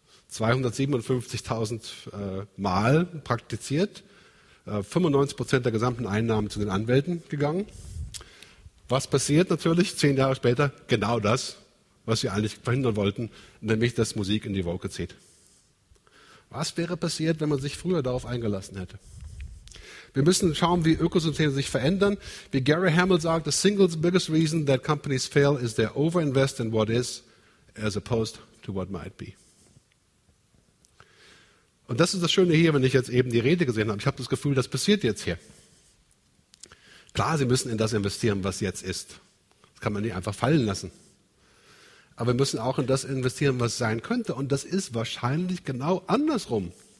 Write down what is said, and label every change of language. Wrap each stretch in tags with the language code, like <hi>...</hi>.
<de>257.000 Mal praktiziert, 95% der gesamten Einnahmen zu den Anwälten gegangen. Was passiert natürlich 10 Jahre später? Genau das, was wir eigentlich verhindern wollten, nämlich, dass Musik in die Wolke zieht. Was wäre passiert, wenn man sich früher darauf eingelassen hätte? Wir müssen schauen, wie Ökosysteme sich verändern. Wie Gary Hamel sagt,</de> <en>the single biggest reason that companies fail is they overinvest in what is as opposed to what might be.</en> <de>Und das ist das Schöne hier, wenn ich jetzt eben die Rede gesehen habe. Ich habe das Gefühl, das passiert jetzt hier. Klar, Sie müssen in das investieren, was jetzt ist. Das kann man nicht einfach fallen lassen. Aber wir müssen auch in das investieren, was sein könnte. Und das ist wahrscheinlich genau andersrum.</de>